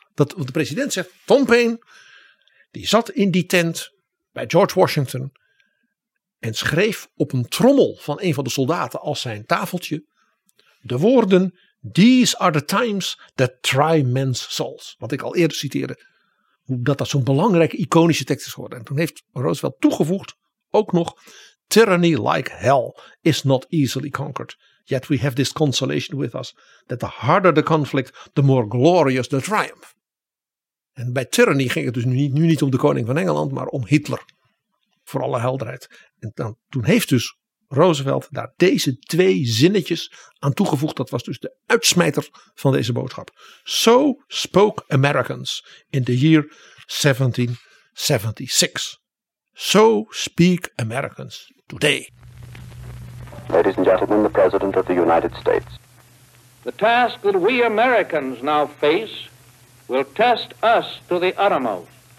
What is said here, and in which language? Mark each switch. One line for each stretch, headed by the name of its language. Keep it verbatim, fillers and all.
Dutch: Dat, want de president zegt, Tom Paine, die zat in die tent bij George Washington en schreef op een trommel van een van de soldaten als zijn tafeltje de woorden,
English: these are the times that try men's souls.
Dutch: Wat ik al eerder citeerde, dat dat zo'n belangrijke iconische tekst is geworden. En toen heeft Roosevelt toegevoegd, ook nog,
English: tyranny like hell is not easily conquered. Yet we have this consolation with us, that the harder the conflict, the more glorious the triumph.
Dutch: En bij tyranny ging het dus nu niet, nu niet om de koning van Engeland, maar om Hitler. Voor alle helderheid. En dan, toen heeft dus Roosevelt daar deze twee zinnetjes aan toegevoegd. Dat was dus de uitsmijter van deze boodschap.
English: So spoke Americans in the year seventeen seventy-six. So speak Americans today. Ladies and gentlemen, the President of the United States. The task that we Americans now face will test us to the uttermost.